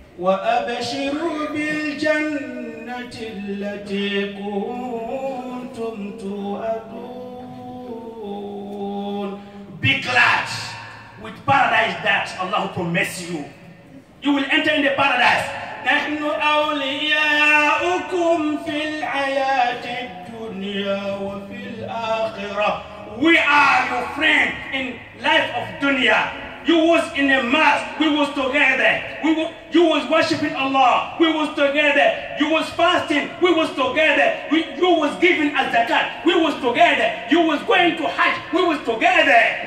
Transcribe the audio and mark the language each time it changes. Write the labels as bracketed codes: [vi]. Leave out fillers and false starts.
[ar] وَأَبَشِرُوا بِالْجَنَّةِ الَّتِي كُنْتُمْ تُوَعَدُونَ. [en] Be glad with paradise that Allah promised you. You will enter in the paradise. [ar] نحن أولياؤكم في الحياة الدنيا وفي الآخرة. [en] We are your friend in life of dunya. You was in a mask. We was together. You was worshiping Allah, we was together. You was fasting, we was together. You was giving us zakat, we was together. You was going to Hajj, we was together.